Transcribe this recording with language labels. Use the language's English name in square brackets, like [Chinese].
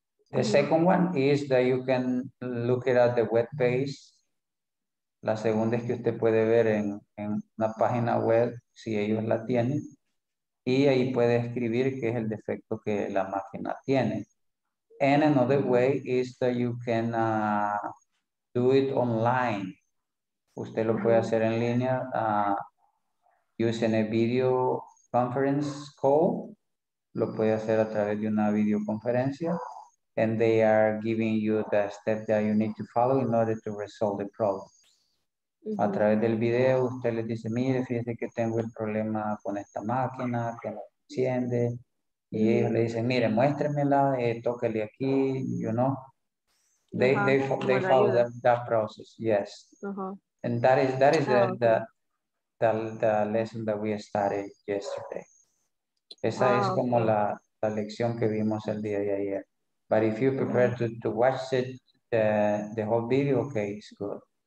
[English] The second one is that you can look it at the web page. [Spanish] La segunda es que usted puede ver en una página web si ellos la tienen y ahí puede escribir qué es el defecto que la máquina tiene. [English] And another way is that you can do it online. [Spanish] Usted lo puede hacer en línea [English] using a video conference call. [Spanish] Lo puede hacer a través de una videoconferencia. [English] And they are giving you the step that you need to follow in order to resolve the problem. [Spanish] Mm-hmm. A través del video, usted le dice, mire, fíjese que tengo el problema con esta máquina, que no enciende. Y ellos le dicen, mire, muéstremela, tóquele aquí, [English] you know. They follow that process, yes. Uh-huh. And that is the lesson that we started yesterday. [Spanish] Esa es como la lección que vimos el día de ayer. [English] But if you prepare to watch it, the whole video, okay, it's good.